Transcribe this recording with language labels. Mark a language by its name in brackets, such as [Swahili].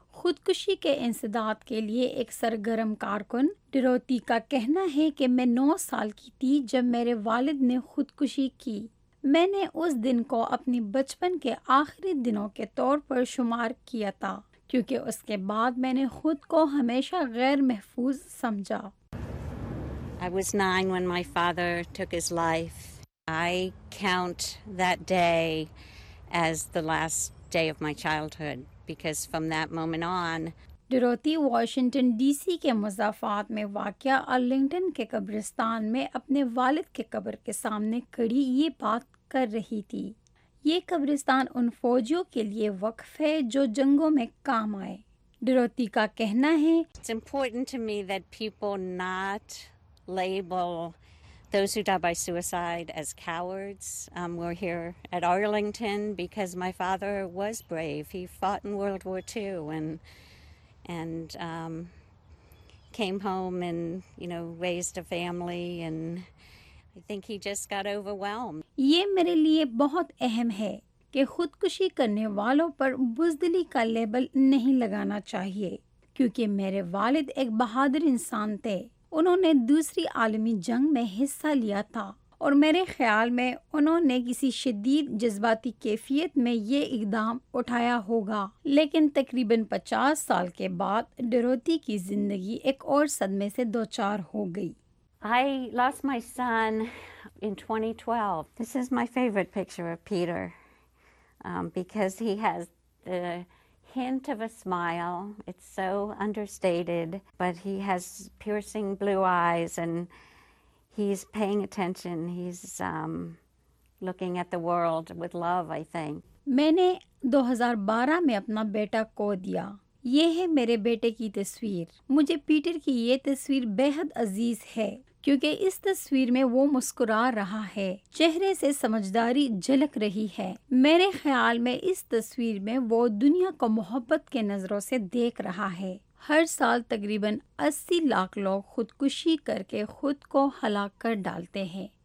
[Urdu] خودکشی کے انسداد کے لیے ایک سرگرم کارکن ڈروتی کا کہنا ہے کہ میں 9 سال کی تھی جب میرے والد نے خودکشی کی۔ میں نے اس دن کو اپنی بچپن کے آخری دنوں کے طور پر شمار کیا تھا کیونکہ اس کے بعد میں نے خود کو ہمیشہ غیر محفوظ سمجھا۔ [English] I was 9 when my father took his life. I count that day as the last day of my childhood. Because from that moment on, [Urdu] ڈروتی Washington D C کے مضافات میں واقع آرلنگٹن کے قبرستان میں اپنے والد کے قبر کے سامنے کھڑی یہ بات کر رہی تھی۔ یہ قبرستان ان فوجیوں کے لیے وقف ہے جو جنگوں میں کام آئے۔ ڈروتی کا کہنا ہے، [English] It's important to me that people not label those who died by suicide as cowards. We're here at Arlington because my father was brave. He fought in World War II and came home and, you know, raised a family, and I think he just got overwhelmed. [Urdu] یہ میرے لیے بہت اہم ہے کہ خودکشی کرنے والوں پر بزدلی کا لیبل نہیں لگانا چاہیے، کیونکہ میرے والد ایک بہادر انسان تھے۔ انہوں نے دوسری عالمی جنگ میں حصہ لیا تھا اور میرے خیال میں انہوں نے کسی شدید جذباتی کیفیت میں یہ اقدام اٹھایا ہوگا۔ لیکن تقریباً 50 سال کے بعد ڈروتی کی زندگی ایک اور صدمے سے دوچار ہو گئی۔ [English] I lost my son in 2012. This is my favorite picture of Peter because he has the hint of a smile. It's so understated, but he has piercing blue eyes and he's paying attention. He's looking at the world with love, I think. [Urdu] میں نے 2012 میں اپنا بیٹا کھو دیا۔ یہ ہے میرے بیٹے کی تصویر۔ مجھے پیٹر کی یہ تصویر بے حد عزیز ہے کیونکہ اس تصویر میں وہ مسکرا رہا ہے، چہرے سے سمجھداری جھلک رہی ہے۔ میرے خیال میں اس تصویر میں وہ دنیا کو محبت کے نظروں سے دیکھ رہا ہے۔ ہر سال تقریباً 80 لاکھ لوگ خودکشی کر کے خود کو ہلاک کر ڈالتے ہیں۔